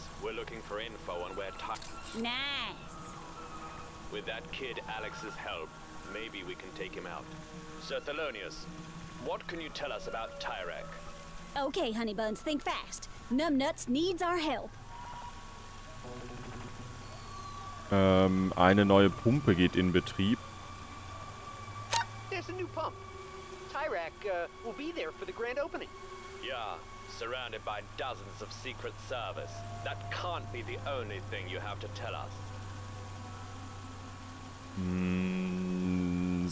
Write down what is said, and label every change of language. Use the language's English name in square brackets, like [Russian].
[English] We're looking for info on where Nice. With that kid Alex's help, maybe we can take him out. Sir Thelonious, what can you tell us about Tyrek? Okay, honey buns, think fast. Numbnuts needs our help. [German] Eine neue Pumpe geht in Betrieb. [English] There's a new pump. Tyrek will be there for the grand opening. Yeah. Surrounded by dozens of secret service. That can't be the only thing you have to tell us.